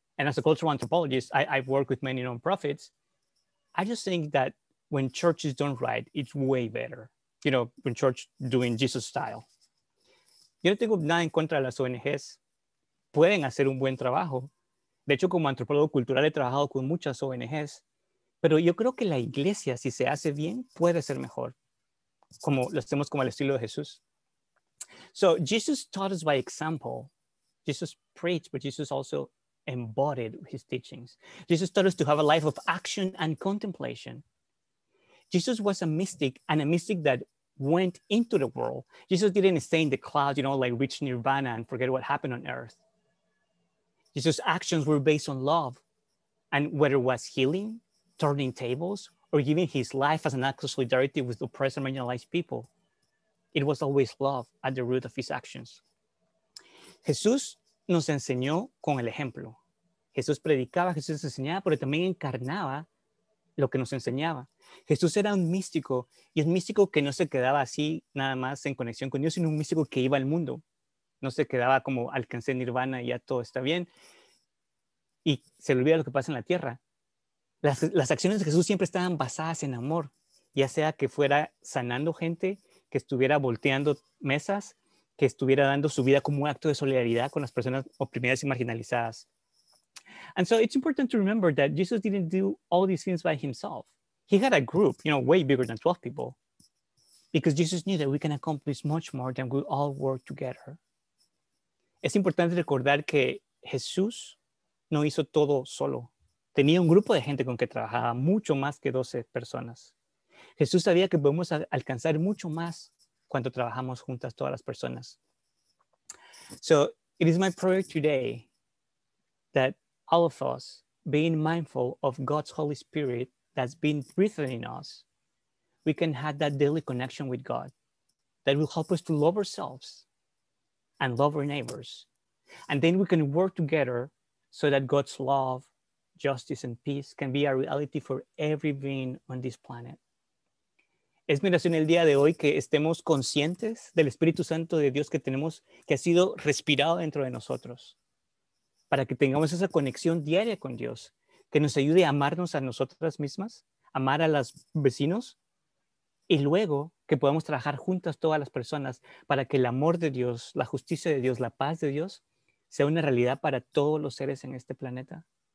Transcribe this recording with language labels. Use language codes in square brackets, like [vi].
[en] And as a cultural anthropologist, I've worked with many nonprofits. I just think that when churches don't write, it's way better. You know, when church doing Jesus style. [es] Yo no tengo nada en contra de las ONGs. Pueden hacer un buen trabajo. De hecho, como antropólogo cultural, he trabajado con muchas ONGs. Pero yo creo que la iglesia, si se hace bien, puede ser mejor. Como lo hacemos como al estilo de Jesús. [en] So Jesus taught us by example. Jesus preached, but Jesus also embodied his teachings. Jesus taught us to have a life of action and contemplation. Jesus was a mystic and a mystic that went into the world. Jesus didn't stay in the clouds, you know, like reach nirvana and forget what happened on earth. Jesus' actions were based on love. And whether it was healing, turning tables, or giving his life as an act of solidarity with oppressed and marginalized people, it was always love at the root of his actions. [es] Jesús nos enseñó con el ejemplo. Jesús predicaba, Jesús enseñaba, pero también encarnaba lo que nos enseñaba. Jesús era un místico, y un místico que no se quedaba así nada más en conexión con Dios, sino un místico que iba al mundo. No se quedaba como alcancé nirvana y ya todo está bien. Y se le olvida lo que pasa en la tierra. Las acciones de Jesús siempre estaban basadas en amor, ya sea que fuera sanando gente, que estuviera volteando mesas, que estuviera dando su vida como un acto de solidaridad con las personas oprimidas y marginalizadas. [en] And so it's important to remember that Jesus didn't do all these things by himself. He had a group, you know, way bigger than 12 people, because Jesus knew that we can accomplish much more than we all work together. [es] Es importante recordar que Jesús no hizo todo solo. Tenía un grupo de gente con que trabajaba, mucho más que 12 personas. Jesús sabía que podemos alcanzar mucho más cuando trabajamos juntas todas las personas. [en] So, it is my prayer today that all of us, being mindful of God's Holy Spirit that's been breathed in us, we can have that daily connection with God that will help us to love ourselves and love our neighbors. And then we can work together so that God's love, justice, and peace can be a reality for every being on this planet. [es] Es mi oración el día de hoy que estemos conscientes del Espíritu Santo de Dios que tenemos, que ha sido respirado dentro de nosotros, para que tengamos esa conexión diaria con Dios, que nos ayude a amarnos a nosotras mismas, amar a los vecinos, y luego que podamos trabajar juntas todas las personas para que el amor de Dios, la justicia de Dios, la paz de Dios, sea una realidad para todos los seres en este planeta.